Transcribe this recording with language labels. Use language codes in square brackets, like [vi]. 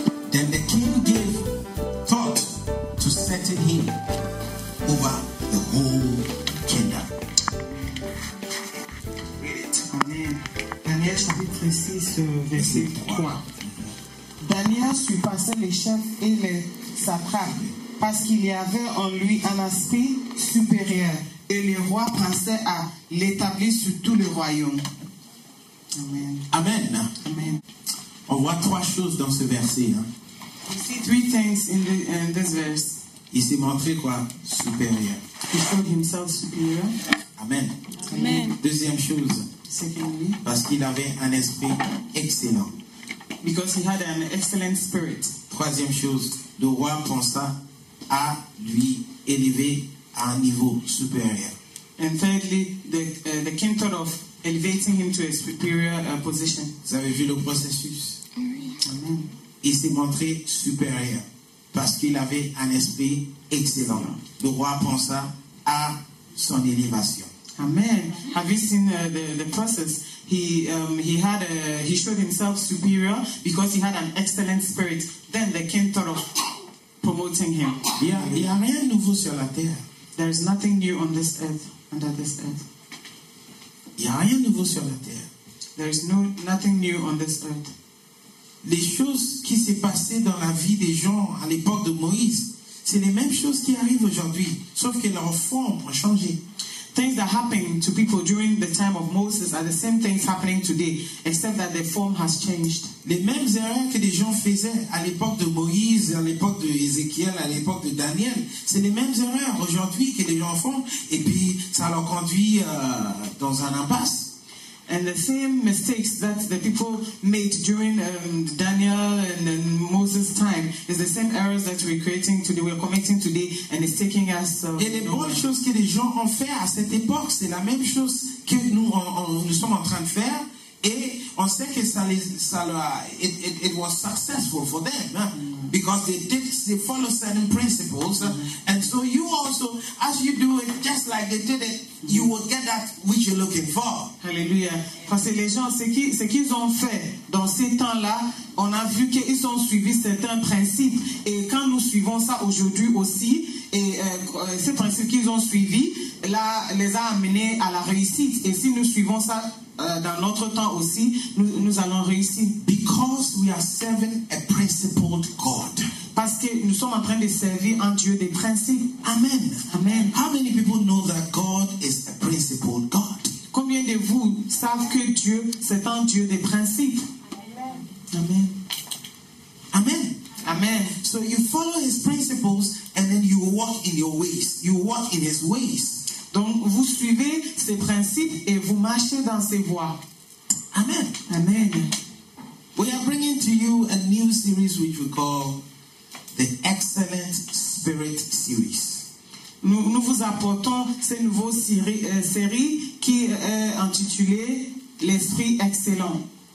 [en] Then the king gave thought to setting him over the whole kingdom. [fr] Daniel chapitre 6, verset 3. Daniel surpassait les chefs et les satrapes parce qu'il y avait en lui un esprit supérieur et les rois pensaient à l'établir sur tout le royaume. Amen. Amen. Amen. On voit trois choses dans ce verset. Hein? [en] You see three things in this verse. [fr] Il s'est montré quoi? Supérieur. [en] He showed himself superior. Amen. Amen. [fr] Deuxième chose. [en] Secondly. [fr] Parce qu'il avait un esprit excellent. [en] Because he had an excellent spirit. [fr] Troisième chose. Le roi pensa à lui élever à un niveau supérieur. [en] And thirdly, the king thought of elevating him to a superior position. [fr] Vous avez vu le processus? Oui. Amen. Il s'est montré supérieur parce qu'il avait un esprit excellent. Le roi pensa à son élévation. [en] Amen. Have you seen the process? He showed himself superior because he had an excellent spirit. Then the king thought of promoting him. [fr] Il y a rien de nouveau sur la terre. [en] There is nothing new on this earth, under this earth. [fr] Il y a rien de nouveau sur la terre. [en] There is no nothing new on this earth. [fr] Les choses qui s'est passées dans la vie des gens à l'époque de Moïse, c'est les mêmes choses qui arrivent aujourd'hui, sauf que leur forme a changé. [en] Things that happened to people during the time of Moses are the same things happening today, except that the form has changed. [fr] Les mêmes erreurs que les gens faisaient à l'époque de Moïse, à l'époque de Ézéchiel, à l'époque de Daniel, c'est les mêmes erreurs aujourd'hui que les gens font, et puis ça leur conduit dans un impasse. [en] And the same mistakes that the people made during Daniel and then Moses' time is the same errors that we're creating today, we're committing today, and it's taking us. [fr] Et les bonnes choses que les gens ont fait à cette époque, c'est la même chose que nous sommes en train de faire, et on sait que [en] it was successful for them, huh? Mm-hmm. Because they follow certain principles, mm-hmm. And so you also, as you do it, just like they did it. You will get that which you're looking for. Hallelujah. [fr] Parce que les gens, ce qu'ils ont fait dans ces temps-là, on a vu qu'ils ont suivi certains principes. Et quand nous suivons ça aujourd'hui aussi, et ces principes qu'ils ont suivis, là, les a amenés à la réussite. Et si nous suivons ça dans notre temps aussi, nous allons réussir. [en] Because we are serving a principled God. [fr] Parce que nous sommes en train de servir un Dieu des principes. Amen. Amen. [en] How many people know that God is a principled God? [fr] Combien de vous savent que Dieu c'est un Dieu des principes? Amen. Amen. Amen. [en] So you follow His principles and then you walk in your ways. You walk in His ways. [fr] Donc vous suivez ses principes et vous marchez dans ses voies. Amen. Amen. [en] We are bringing to you a new series which we call The Excellent Spirit Series. [fr] Nous vous apportons cette nouvelle série qui est intitulée L'Esprit Excellent.